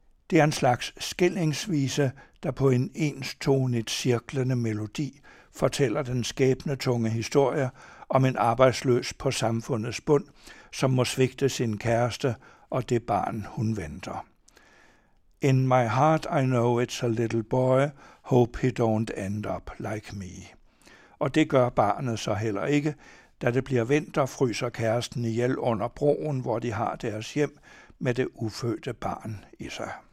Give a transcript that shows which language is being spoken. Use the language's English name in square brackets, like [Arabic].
[Danish] Det er en slags skillingsvise, der på en enstonigt cirklende melodi fortæller den skæbnetunge historie om en arbejdsløs på samfundets bund, som må svigte sin kæreste og det barn, hun venter. [English] In my heart I know it's a little boy, hope he don't end up like me. [Danish] Og det gør barnet så heller ikke, da det bliver vinter, fryser kæresten ihjel under broen, hvor de har deres hjem med det ufødte barn i sig.